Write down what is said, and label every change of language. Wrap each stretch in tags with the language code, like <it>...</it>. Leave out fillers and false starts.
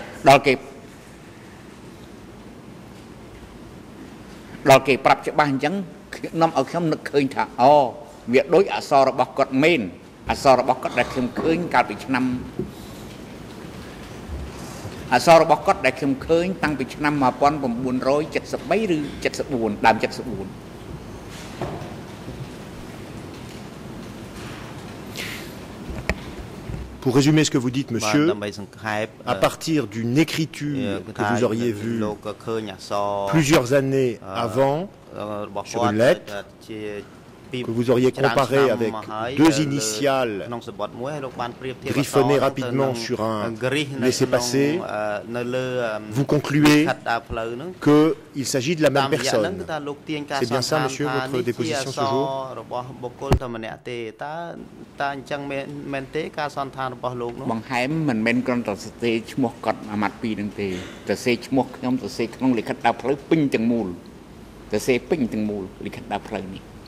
<km>ដល់គេប្រាប់ច្បាស់អញ្ចឹងខ្ញុំឲ្យខ្ញុំនឹកឃើញថាអូវាដូចអសររបស់គាត់មែនអសររបស់គាត់ដែលខ្ញុំឃើញកាលពីឆ្នាំអសររបស់គាត់ដែលខ្ញុំឃើញតាំងពីឆ្នាំ1973ឬ74ដើម74</km> <fr>Pour résumer ce que vous dites, monsieur, à partir d'une écriture que vous auriez vue plusieurs années avant sur une lettre, que vous auriez comparée avec deux initiales griffonnées rapidement sur un laissez-passer, vous concluez qu'il s'agit de la même personne. C'est bien ça, monsieur, votre déposition ce jour ?</fr> <km>តាអញ្ចឹងមែនទេការសន្និដ្ឋានរបស់លោកនោះបង្ហែមមិនមែនគ្រាន់តែសរសេរឈ្មោះគាត់អាម៉ាត់ពីរនឹងទេសរសេរឈ្មោះខ្ញុំសរសេរក្នុងលិខិតដើរផ្លូវពេញទាំងមូលសរសេរពេញទាំងមូលលិខិតដើរផ្លូវនេះ</km>